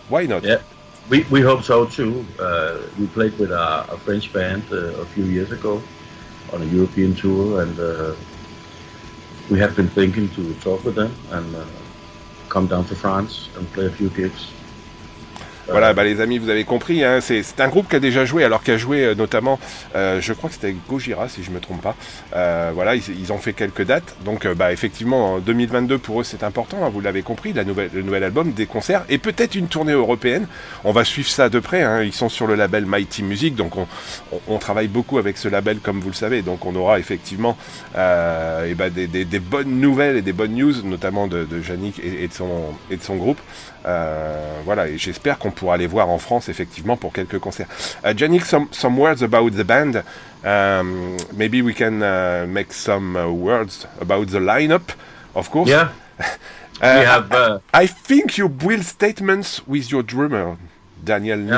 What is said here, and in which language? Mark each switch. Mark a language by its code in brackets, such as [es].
[en] Why not? Yeah, we hope so too. We played with a French band a few years ago on a European tour, and we have been thinking to talk with them and come down to France and play a few gigs. [fr] Voilà, bah les amis, vous avez compris, hein, c'est un groupe qui a déjà joué, alors qu'a joué notamment, je crois que c'était Gojira, si je ne me trompe pas. Voilà, ils ont fait quelques dates, donc effectivement, 2022 pour eux, c'est important, hein, vous l'avez compris, le nouvel album, des concerts, et peut-être une tournée européenne. On va suivre ça de près, hein, ils sont sur le label Mighty Music, donc on travaille beaucoup avec ce label, comme vous le savez, donc on aura effectivement des bonnes nouvelles et des bonnes news, notamment de Yannick et de son groupe. Voilà, et j'espère qu'on pourra les voir en France effectivement pour quelques concerts. [en] Yannick, some words about the band. Maybe we can make some words about the lineup, of course. Yeah. I think you build statements with your drummer, Daniel yeah.